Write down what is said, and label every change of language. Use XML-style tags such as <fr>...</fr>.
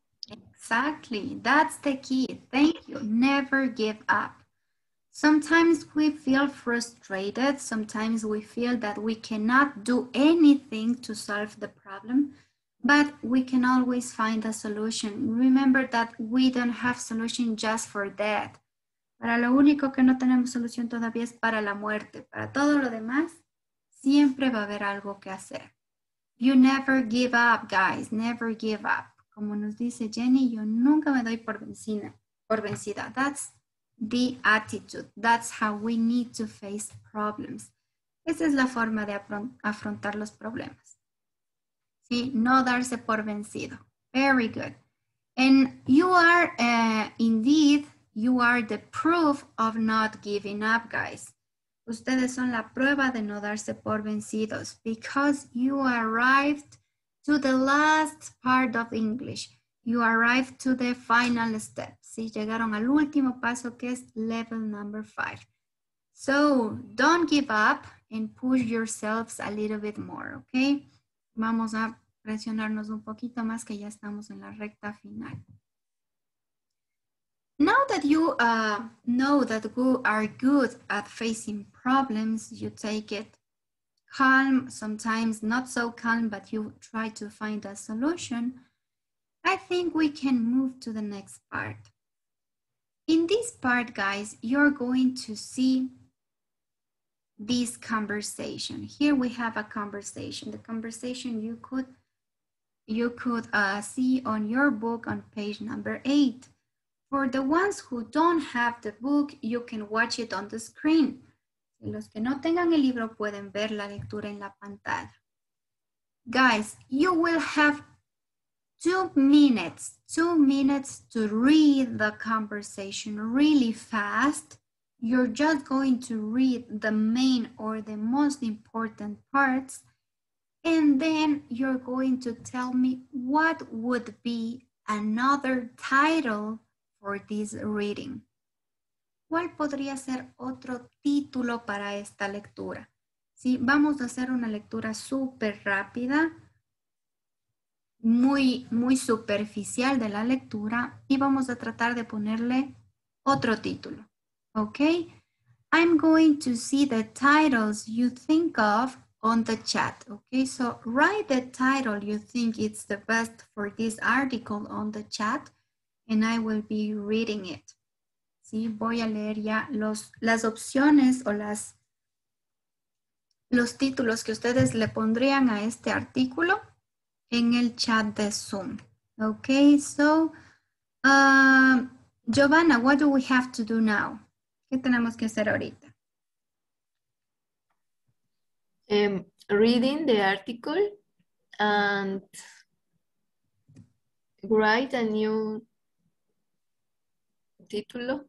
<en>Exactly. That's the key. Thank you. Never give up. Sometimes we feel frustrated. Sometimes we feel that we cannot do anything to solve the problem, but we can always find a solution. Remember that we don't have solution just for that.</en> <es>Para lo único que no tenemos solución todavía es para la muerte. Para todo lo demás, siempre va a haber algo que hacer.</es> <en>You never give up, guys. Never give up.</en> <es>Como nos dice Jenny, yo nunca me doy por vencida.</es> <en>That's the attitude. That's how we need to face problems.</en> <es>Esa es la forma de afrontar los problemas. Sí, no darse por vencido.</es> <en>Very good. And you are indeed, you are the proof of not giving up, guys.</en> <es>Ustedes son la prueba de no darse por vencidos</es> <en>because you arrived to the last part of English. You arrived to the final step.</en> <es>Sí, llegaron al último paso que es level number 5.</es> <en>So, don't give up and push yourselves a little bit more, okay?</en> <es>Vamos a presionarnos un poquito más que ya estamos en la recta final.</es> <en>Now that you know that you are good at facing problems, you take it calm, sometimes not so calm, but you try to find a solution, I think we can move to the next part. In this part, guys, you're going to see this conversation. Here we have a conversation. The conversation you could see on your book on page number 8. For the ones who don't have the book, you can watch it on the screen.</en> <es>Los que no tengan el libro pueden ver la lectura en la pantalla.</es> <en>Guys, you will have 2 minutes to read the conversation really fast. You're just going to read the main or the most important parts. And then you're going to tell me what would be another title for this reading.</en> <es>¿Cuál podría ser otro título para esta lectura? Sí, vamos a hacer una lectura súper rápida, muy, muy superficial de la lectura y vamos a tratar de ponerle otro título.</es> <en>Ok, I'm going to see the titles you think of on the chat. Ok, so write the title you think it's the best for this article on the chat. And I will be reading it.</en> <es>Sí, voy a leer ya las opciones o los títulos que ustedes le pondrían a este artículo en el chat de Zoom.</es> <en>Ok, so, Giovanna, what do we have to do now?</en> <es>¿Qué tenemos que hacer ahorita?</es> <en>Reading the article and write a new título.</en>